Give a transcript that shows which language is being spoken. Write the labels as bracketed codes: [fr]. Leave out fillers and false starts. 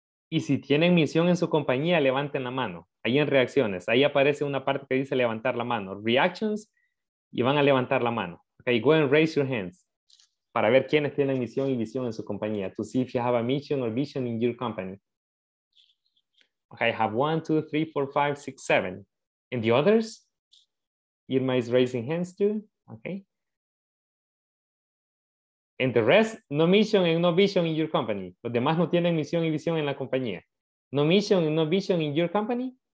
[es] Y si tienen misión en su compañía, levanten la mano. Ahí en reacciones. Ahí aparece una parte que dice levantar la mano. Reactions. Y van a levantar la mano. [en] Okay, go and raise your hands. [es] Para ver quiénes tienen misión y visión en su compañía. [en] To see if you have a mission or vision in your company. Okay, I have 1, 2, 3, 4, 5, 6, 7. And the others? Irma is raising hands too. Okay. And the rest? No mission and no vision in your company. [es] Los demás no tienen misión y visión en la compañía. [en] No mission and no vision in your company?